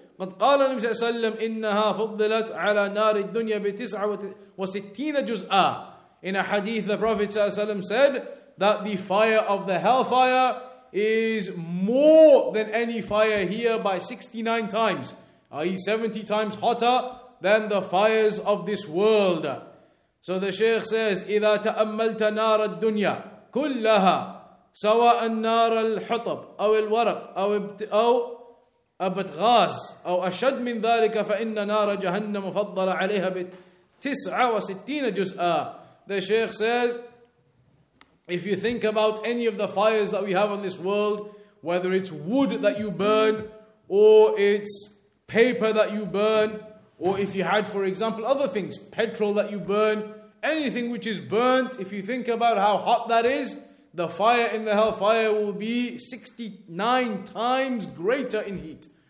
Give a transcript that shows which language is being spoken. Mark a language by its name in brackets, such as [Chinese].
[Arabic] قَدْ قَالَ النَّبِيُّ صَلَّى اللَّهُ عَلَيْهِ وَسَلَّمَ إِنَّهَا فُضِّلَتْ عَلَى نَارِ الدُّنْيَا بِ69 جُزْءًا. [English] In a hadith, the Prophet ﷺ said that the fire of the hellfire is more than any fire here by 69 times, i.e. 70 times hotter than the fires of this world. So the Shaykh says, [Arabic] إِذَا تَأَمَّلْتَ نَارَ الدُّنْيَا كُلَّهَا سَوَاءَ النَّارَ الْحُطَبْ أَوْ الْوَرَقْ أَوْ أَبْتْغَاسْ أَوْ أَشَدْ مِنْ ذَلِكَ فَإِنَّ نَارَ جَهَنَّمُ فَضَّلَ عَلَيْهَا بِ69 جُزْءًا. [English] The Shaykh says, if you think about any of the fires that we have on this world, whether it's wood that you burn, or it's paper that you burn, or if you had, for example, other things, petrol that you burn, anything which is burnt, if you think about how hot that is, the fire in the hellfire will be 69 times greater in heat.